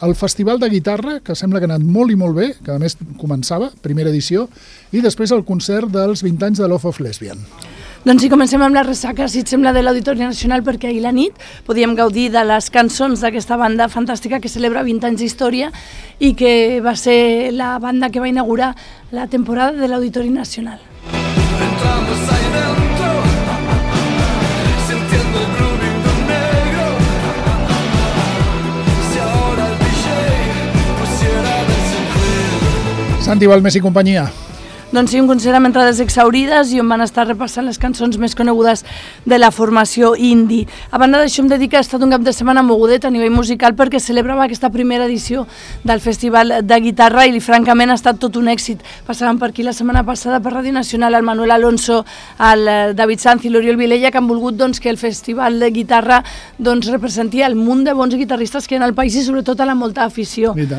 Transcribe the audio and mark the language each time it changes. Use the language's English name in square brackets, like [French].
[Catalan] El Festival de Guitarra, que sembla que ha anat molt i molt bé, que a més començava, primera edició, i després el concert dels 20 anys de Love of Lesbian. Doncs sí, comencem amb la ressaca, si et sembla, de l'Auditori Nacional, perquè ahir la nit podíem gaudir de les cançons d'aquesta banda fantàstica que celebra 20 anys d'història i que va ser la banda que va inaugurar la temporada de l'Auditori Nacional. [Spanish] Entramos ahí dentro, sintiendo el grooving de un negro. Si ahora el DJ pusiera de Santi Balmes y compañía. [Catalan] Doncs sí, un concert amb entrades exaurides i on van estar repassant les cançons més conegudes de la formació indie. A banda d'això, em dedica, ha estat un cap de setmana mogudet a nivell musical perquè celebrava aquesta primera edició del Festival de Guitarra i francament ha estat tot un èxit. Passàvem per aquí la setmana passada per Ràdio Nacional el Manuel Alonso, el David Sanz i l'Oriol Vilella, que han volgut doncs, que el Festival de Guitarra doncs, representi el munt de bons guitarristes que hi ha al país i sobretot a la molta afició.